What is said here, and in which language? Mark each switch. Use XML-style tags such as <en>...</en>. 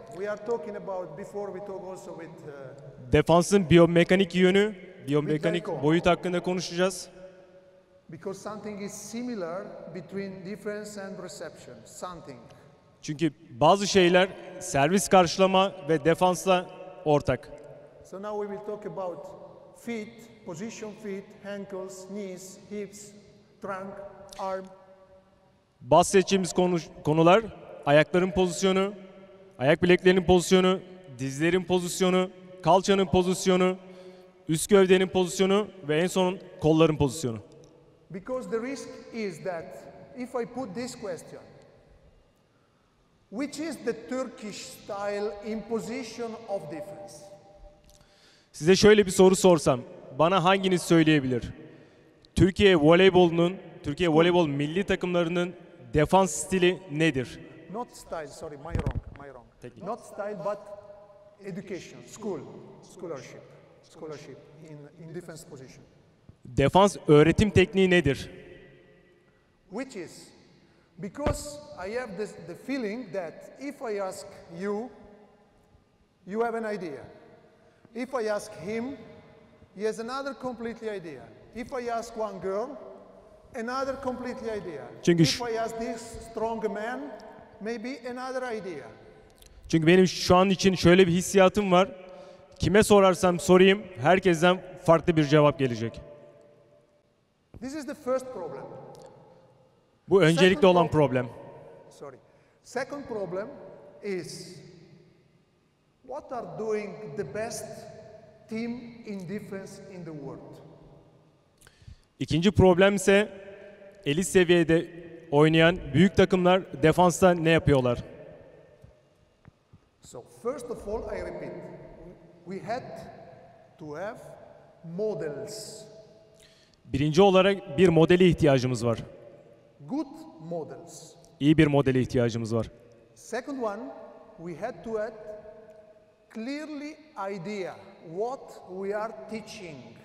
<en>We are talking about before we talk also with</en> <tr>defansın biyomekanik yönü, biyomekanik boyut hakkında konuşacağız.</tr> <en>Because something is similar between defense and reception, something.</en> <tr>Çünkü bazı şeyler servis karşılama ve defansla ortak.</tr> <en>So now we will talk about feet, position feet, ankles, knees, hips, trunk, arm.</en> <tr>Bahsedeceğimiz konular ayakların pozisyonu, ayak bileklerinin pozisyonu, dizlerin pozisyonu, kalçanın pozisyonu, üst gövdenin pozisyonu ve en son kolların pozisyonu.</tr> <en>Because the risk is that if I put this question, which is the Turkish style in position of defense?</en> <tr>Size şöyle bir soru sorsam, bana hanginiz söyleyebilir? Türkiye voleybol milli takımlarının defans stili nedir?</tr> <en>Not style, sorry, my wrong. Technique. Not style, but education, school, scholarship in defense position.</en> <tr>Defans öğretim tekniği nedir?</tr> <en>Which is, because I have the feeling that if I ask you, you have an idea. If I ask him, he has another completely idea. If I ask one girl, another completely idea.</en> <tr>Çünkü</tr> <en>if I ask this strong man, maybe another idea.</en> <tr>Çünkü benim şu an için şöyle bir hissiyatım var. Kime sorarsam sorayım, herkesten farklı bir cevap gelecek.</tr> <en>This is the first problem.</en> <tr>Bu öncelikli</tr> <en>second</en> <tr>olan problem.</tr> <en>Sorry. Second problem is, what are doing the best team in defense in the world?</en> <tr>İkinci problem ise elit seviyede oynayan büyük takımlar defansta ne yapıyorlar?</tr> <en>So first of all I repeat, we had to have models.</en> <tr>Birinci olarak bir modele ihtiyacımız var.</tr> <en>Good models.</en> <tr>İyi bir modele ihtiyacımız var.</tr> <en>Second one, we had to add clearly idea what we are teaching.</en>